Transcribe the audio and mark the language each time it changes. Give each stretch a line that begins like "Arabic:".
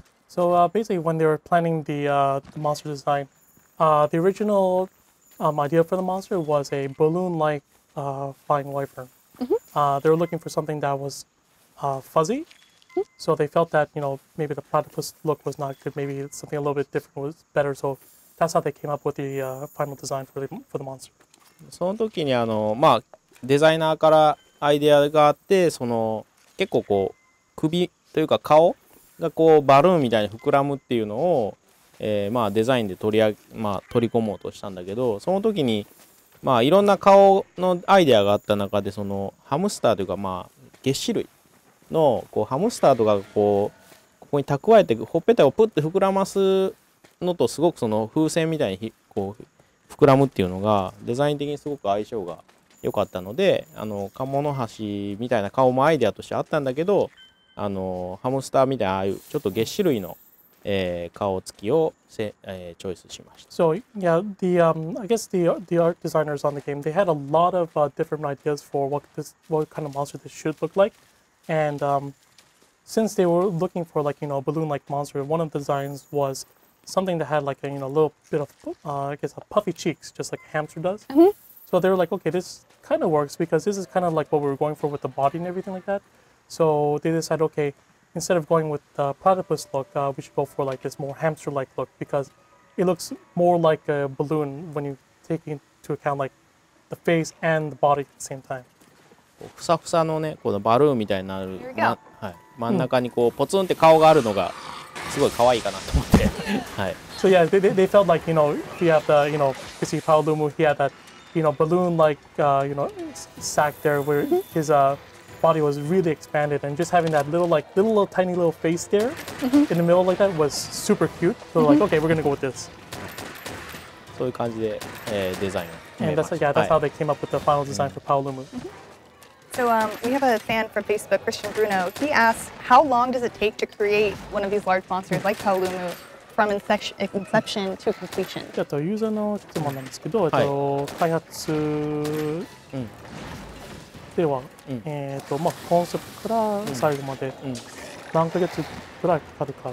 English: So basically, when they were planning the monster design, the original idea for the monster was a balloon-like flying wyvern. Mm-hmm. They were looking for something that was fuzzy, mm-hmm. so they felt that maybe the platypus look was not good. Maybe something a little bit different was better. So that's how they came up with the final design for the monster.
Japanese: その時にデザイナーからアイデアがあって、その結構こう首というか顔がこうバルーンみたいに膨らむっていうのを、デザインで取り込もうとしたんだけど、その時に、いろんな顔のアイデアがあった中で、そのハムスターというか、げっ歯類のこうハムスターとかがこうここに蓄えてほっぺたをプッて膨らますのとすごくその風船みたいにこう膨らむっていうのがデザイン的にすごく相性が良かったので、カモノハシみたいな顔もアイデアとしてあったんだけど、ハムスターみたいなああいうちょっと月種類の、顔つきをチョイスしました。
English: So yeah, I guess the art designers on the game, they had a lot of different ideas for what kind of monster this should look like. And since they were looking for a balloon-like monster, one of the designs was something that had a little bit of a puffy cheeks, just like a hamster does. Mm-hmm. So they were like, okay, this kind of works because this is kind of like what we were going for with the body and everything like that. So they decided, okay, instead of going with the platypus look, we should go for this more hamster-like look because it looks more like a balloon when you take into account the face and the body at the same time.
Japanese: ふさふさのね、このバルーンみたいになる、はい、真ん中にこうポツンって顔があるのがすごい可愛いかなと思って、はい。
English: So yeah, they felt like, he had the, you see Paolumu, he had that, balloon-like, sack there where his, body was really expanded, and just having that little tiny little face there, mm-hmm. in the middle like that was super cute. So mm-hmm. okay, we're gonna go with this.
Japanese: そういう感じで、design.
English: And that's how they came up with the final design mm-hmm. for Paolumu. Mm-hmm. So we have a fan from Facebook, Christian Bruno. He asks, how long does it take to create one of these large monsters like Paolumu from inception to completion?
Japanese: ちょっとユーザーの質問なんですけど、開発。うんでは、うん、コンセプトから最後まで何ヶ月くらいかかるか、う